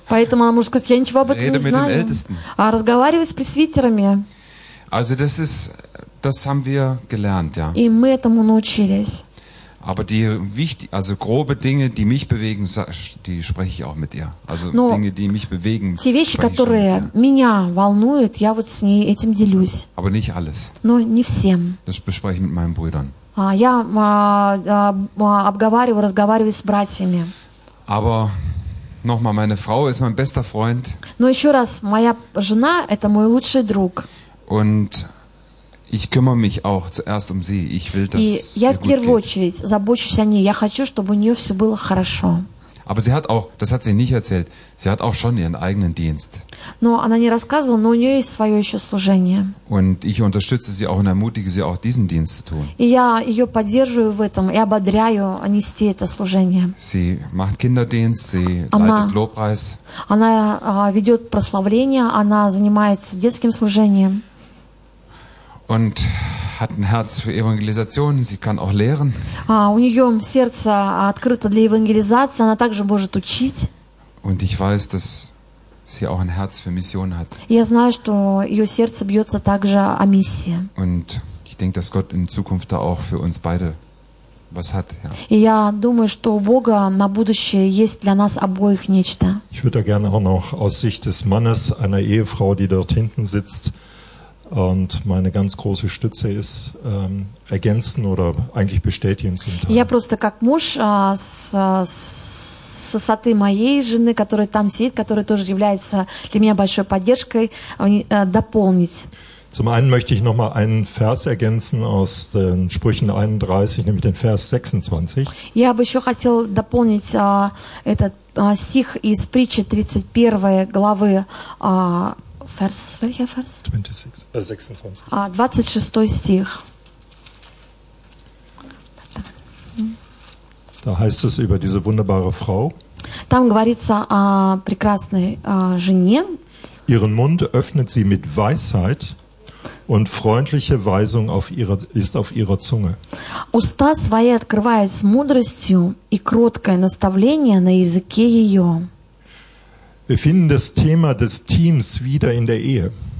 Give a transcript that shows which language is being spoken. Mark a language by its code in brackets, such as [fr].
[ru] Поэтому она может сказать, я ничего об этом [de] Rede [ru] не знаю. [de] Mit den Ältesten. [ru] А разговаривать с пресвитерами. [de] Also das haben wir gelernt, ja. [ru] И мы этому научились. [de] Aber die wichtig, also grobe Dinge, die mich bewegen, die spreche ich auch mit ihr. Also Но Dinge, die mich bewegen. [ru] Те вещи, которые меня волнуют, я вот с ней этим делюсь. [de] Aber nicht alles. [ru] Но не всем. [de] Das bespreche ich mit meinen Brüdern. [ru] Я обговариваю, разговариваю с братьями. [de] Aber nochmal, meine Frau ist mein bester Freund. [ru] Но еще раз, моя жена – это мой лучший друг. [de] Und ich kümmere mich auch zuerst um sie. Ich will, dass [ru] И [de] ihr [ru] я [de] gut [ru] в первую [de] geht. [ru] Очередь забочусь о ней. Я хочу, чтобы у нее все было хорошо. [de] Aber sie hat auch, das hat sie nicht erzählt, sie hat auch schon ihren eigenen Dienst. [ru] Но она не рассказывала, но у нее есть свое еще служение. [de] Und ich unterstütze sie auch und ermutige sie auch diesen Dienst zu tun. [ru] И я ее поддерживаю в этом и ободряю нести это служение. [de] Sie macht Kinderdienst, sie leitet Lobpreis. [ru] Она ведет прославление, она занимается детским служением. [de] Und hat ein Herz für Evangelisation, sie kann auch lehren. [ru] У неё сердце открыто для евангелизации, она также может учить. [de] Und ich weiß, dass sie auch ein Herz für Mission hat. [ru] Я знаю, что её сердце бьётся также о миссии. [de] Und ich denke, dass Gott in Zukunft da auch für uns beide was hat, ja. [ru] Я думаю, что у Бога на будущее есть для нас обоих нечто. [de] Ich würde gerne auch noch aus Sicht des Mannes einer Ehefrau, die dort hinten sitzt, und meine ganz große Stütze ist, ergänzen oder eigentlich bestätigen zum Teil. [ru] Я просто как муж с высоты моей жены, которая там сидит, которая тоже является для меня большой поддержкой, дополнить. [de] Zum einen möchte ich noch mal einen Vers ergänzen aus den Sprüchen 31, nämlich den Vers 26. [ru] Я бы еще хотел дополнить этот стих из притчи 31 главы. [de] Vers, welcher Vers? 26. 26. 26. Da heißt es über diese wunderbare Frau. [ru] Там говорится о прекрасной жене. [de] Ihren Mund öffnet sie mit Weisheit und freundliche Weisung ist auf ihrer Zunge. [ru] Уста свои открывает с мудростью и кроткое наставление на языке ее. [de] Wir finden das Thema des Teams wieder in der Ehe.